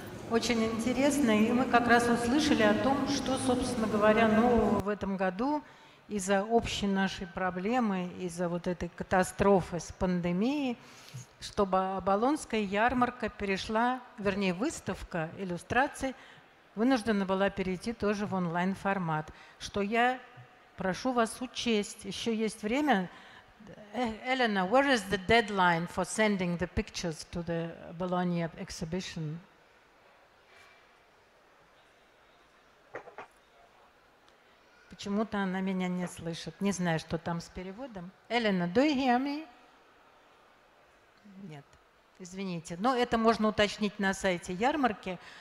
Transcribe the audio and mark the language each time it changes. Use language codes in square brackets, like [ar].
[ru] Очень интересно, и мы как раз услышали о том, что, собственно говоря, нового в этом году из-за общей нашей проблемы, из-за вот этой катастрофы с пандемией, чтобы Болонская ярмарка перешла, вернее, выставка иллюстраций вынуждена была перейти тоже в онлайн-формат. Что я прошу вас учесть. Еще есть время. [en] Elena, where is the deadline for sending the pictures to the Bologna exhibition? [ru] Почему-то она меня не слышит. Не знаю, что там с переводом. [en] Elena, do you hear me? [ru] Нет, извините. Но это можно уточнить на сайте ярмарки.